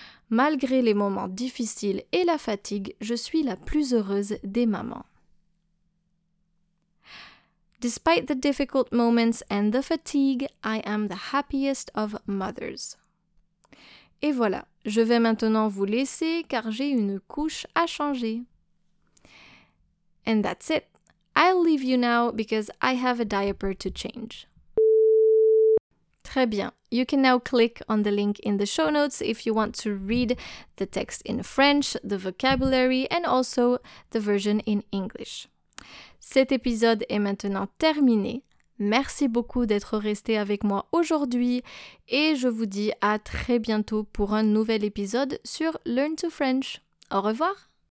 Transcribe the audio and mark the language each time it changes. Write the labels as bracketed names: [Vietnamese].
[French] Malgré les moments difficiles et la fatigue, je suis la plus heureuse des mamans. [English] Despite the difficult moments and the fatigue, I am the happiest of mothers. [French] Et voilà, je vais maintenant vous laisser car j'ai une couche à changer. [English] And that's it. I'll leave you now because I have a diaper to change. [French] Très bien. [English] You can now click on the link in the show notes if you want to read the text in French, the vocabulary and also the version in English. [French] Cet épisode est maintenant terminé. Merci beaucoup d'être resté avec moi aujourd'hui et je vous dis à très bientôt pour un nouvel épisode sur Learn to French. Au revoir!